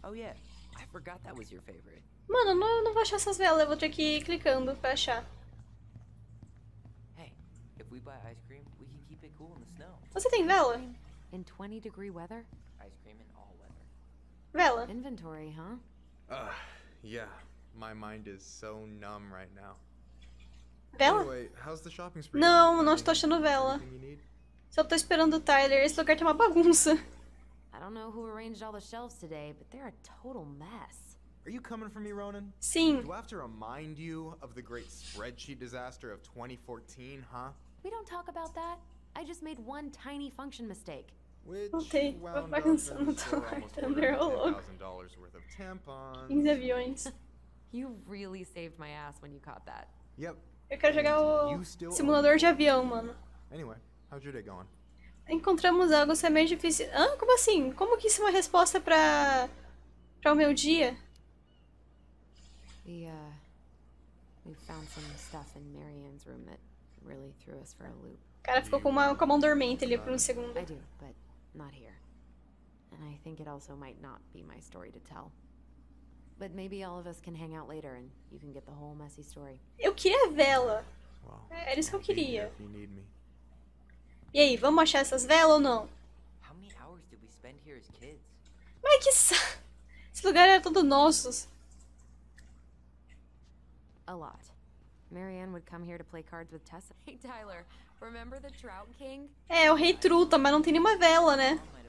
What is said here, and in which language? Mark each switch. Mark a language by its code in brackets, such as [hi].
[en] Oh, yeah. I forgot that was your favorite. [pt] Mano, não vou achar essas velas, eu vou ter que ir clicando pra achar. [en] Hey, if we buy ice cream, we can keep it cool in the snow. [pt] Você tem vela? [en] In 20 degree weather? Ice cream in all weather. [pt] Vela. [en] Inventory, huh? Yeah. My mind is so numb right now. [pt] Vela? Não, não estou achando vela. Só estou esperando o Tyler. Esse lugar tem uma bagunça. [en] I don't know who arranged all the shelves today, but they're a total mess. Are you coming for me, Ronan? [pt] Sim. [en] Do I have to remind you of the great spreadsheet disaster of 2014, huh? We don't talk about that. I just made one tiny function mistake. Which okay. Wound $10,000 worth of tampons. [pt] Aviões. [en] You really saved my ass when you caught that. Yep. [pt] Eu quero jogar o simulador de avião, mano. [en] Anyway, how's your day going? [pt] Encontramos algo semelhante difícil. Hã? Como assim? Como que isso é uma resposta pra... pra o meu dia? [en] We found some stuff in Marianne's room that really threw us for a loop. [pt] O cara ficou com a mão dormente ali por um segundo. [en] I do, but not here. And I think it also might not be my story to tell. But maybe all of us can hang out later and you can get the whole messy story. [pt] Eu queria a vela. Era isso que eu queria. [en] You need me. [pt] E aí, vamos achar essas velas ou não? [en] How many hours did we spend here as kids? [pt] Mas que esse lugar era todo nosso. [en] A lot. Marianne would come here to play cards with Tessa. Hey Tyler, remember the Trout King? [pt] É, o rei truta, mas não tem nenhuma vela, né?